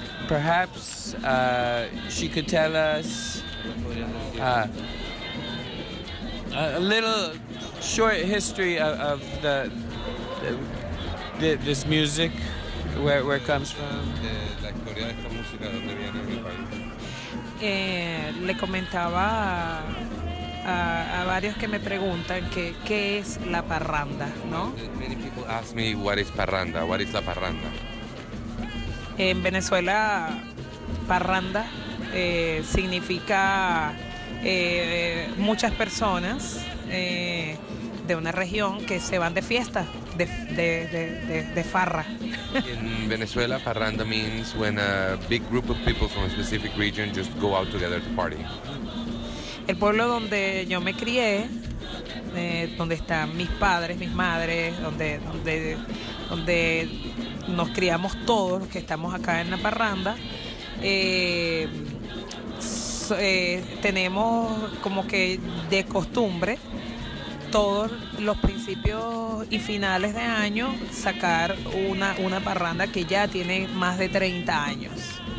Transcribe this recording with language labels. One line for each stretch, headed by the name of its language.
English: Perhaps she could tell us a little short history of the this music, where it comes from.
Spanish: Le comentaba a varios que me preguntan que qué es la parranda, ¿no?
English: Many people ask me what is parranda, what is la parranda.
Spanish: En Venezuela, parranda significa muchas personas de una región que se van de fiesta, de farra.
English: In Venezuela, parranda means when a big group of people from a specific region just go out together to party.
Spanish: El pueblo donde yo me crié, donde están mis padres, mis madres, donde nos criamos todos los que estamos acá en la parranda, tenemos como que de costumbre todos los principios y finales de año sacar una parranda que ya tiene más de 30 años.